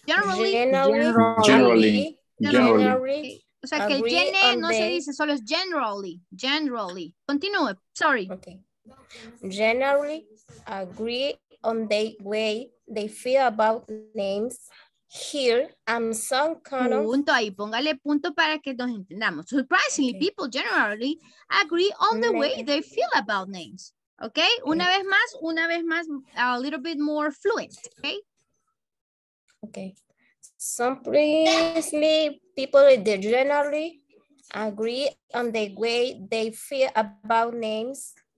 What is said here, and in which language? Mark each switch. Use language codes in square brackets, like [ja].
[en] Generally. [es] O sea, que el gene no se dice, solo es generally. Generally. [en] Continúe, sorry. Okay. Generally agree on the way they feel about names. Here, I'm some kind of... [es] Punto ahí, póngale punto para que nos entendamos. [en] Surprisingly, okay. People generally agree on the way they feel about names. Okay? Okay. [es] Una vez más, [en] a little bit more fluent. Okay? Okay. Surprisingly, people they generally agree on the way they feel about names.